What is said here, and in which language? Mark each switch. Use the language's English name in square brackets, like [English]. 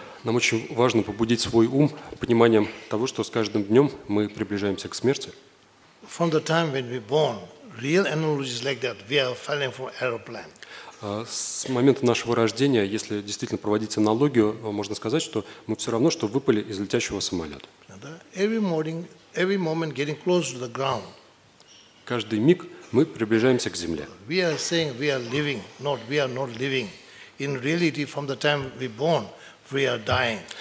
[Russian] Нам очень важно побудить свой ум пониманием того, что с каждым днем мы приближаемся к смерти. [English] From the time when we born, real analogies like that, we are falling from aeroplane. [Russian] С момента нашего рождения, если действительно проводить аналогию, можно сказать, что мы все равно, что выпали из летящего самолета. [English] Every morning, every moment getting closer to the ground. [Russian] Каждый миг мы приближаемся к земле. [English] We are saying we are living, not we are not living. In reality, from the time we born, we are dying.